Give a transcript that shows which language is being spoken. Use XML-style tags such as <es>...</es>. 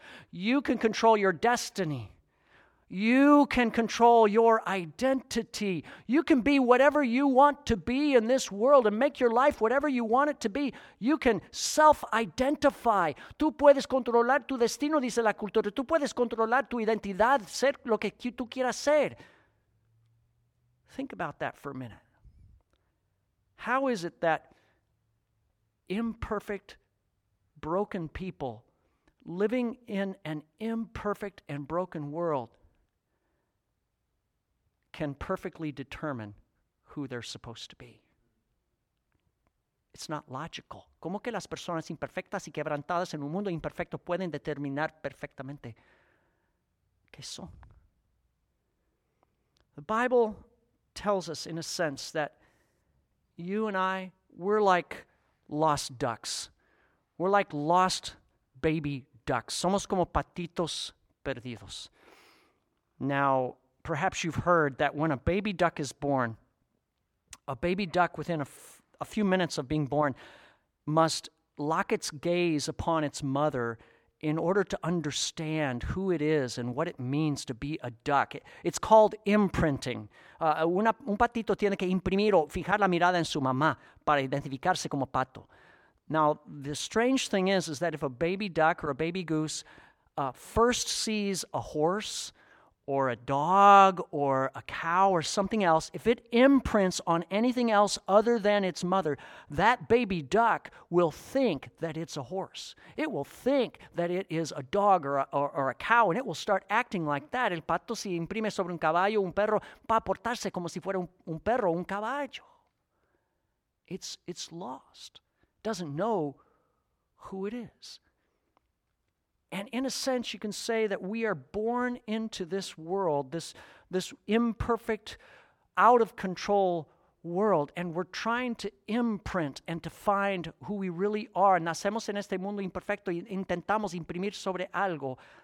<en>You can control your destiny. You can control your identity. You can be whatever you want to be in this world and make your life whatever you want it to be. You can self-identify.</en> <es>Tú puedes controlar tu destino, dice la cultura. Tú puedes controlar tu identidad, ser lo que tú quieras ser.</es> <en>Think about that for a minute. How is it that imperfect, broken people living in an imperfect and broken world can perfectly determine who they're supposed to be? It's not logical.</en> <es>¿Cómo que las personas imperfectas y quebrantadas en un mundo imperfecto pueden determinar perfectamente qué son?</es> <en>The Bible tells us, in a sense, that you and I, we're like lost ducks. We're like lost baby ducks.</en> <es>Somos como patitos perdidos.</es> <en>Now, perhaps you've heard that when a baby duck is born, a baby duck within a few minutes of being born must lock its gaze upon its mother in order to understand who it is and what it means to be a duck. It's called imprinting.</en> <es>Un patito tiene que imprimir o fijar la mirada en su mamá para identificarse como pato.</es> <en>Now, the strange thing is that if a baby duck or a baby goose first sees a horse or a dog or a cow or something else, if it imprints on anything else other than its mother, that baby duck will think that it's a horse. It will think that it is a dog or a cow, and it will start acting like that.</en> <es>El pato si imprime sobre un caballo, un perro, va a portarse como si fuera un perro, un caballo.</es> <en>It's lost. Doesn't know who it is. And in a sense, you can say that we are born into this world, this imperfect, out-of-control world, and we're trying to imprint and to find who we really are.</en> <es>Nacemos en este mundo imperfecto y intentamos imprimir sobre algo.</es>